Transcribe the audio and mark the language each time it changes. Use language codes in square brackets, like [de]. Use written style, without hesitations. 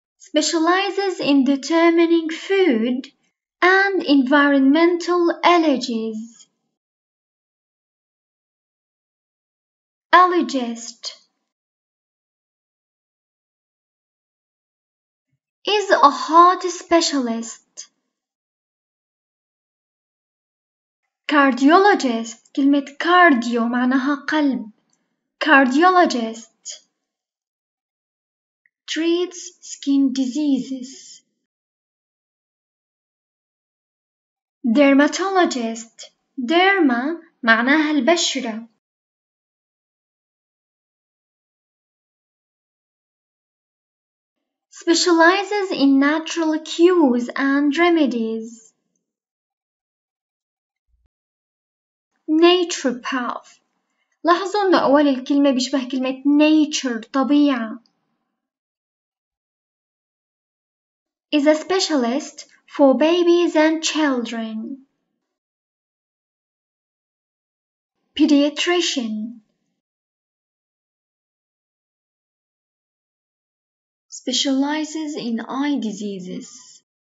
[en] specializes in determining food and environmental allergies. Allergist is a heart specialist. [ar] Cardiologist, كلمة cardio معناها قلب. [en] Cardiologist treats skin diseases. [ar] Dermatologist, derma معناها البشرة. [en] Specializes in natural cures and remedies. Naturopath. [ar] لاحظوا أن أول الكلمة بيشبه كلمة nature طبيعة. [en] Is a specialist for babies and children. Pediatrician. Specializes in eye diseases.